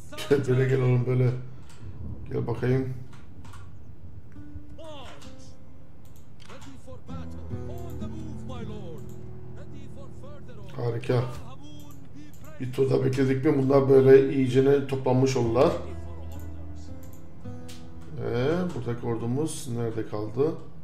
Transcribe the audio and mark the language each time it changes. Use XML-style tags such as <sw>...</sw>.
<tr>Böyle gel oğlum, böyle gel bakayım.</tr> <en>Ready for battle. On the move my lord.</en> <tr>Harika. Bir tur daha bekledik mi? Bunlar böyle iyicene toplanmış olurlar. Buradaki ordumuz nerede kaldı?</tr>